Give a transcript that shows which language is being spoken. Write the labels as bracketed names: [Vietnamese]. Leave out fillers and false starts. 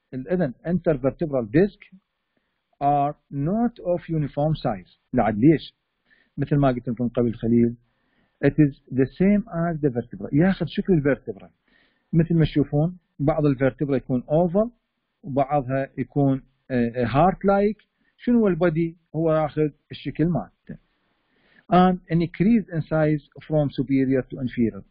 [English] الإذن intervertebral disc are not of uniform size. [Arabic] لعد ليش؟ مثل ما قلت لكم قبل خليل, [English] it is the same as the vertebra. [Arabic] ياخذ شكل الفيرتبرا مثل ما تشوفون, بعض الفيرتبرا يكون اوفال وبعضها يكون هارت لايك. شنو البودي؟ هو ياخذ الشكل مالته. [English] And an increase in size from superior to inferior.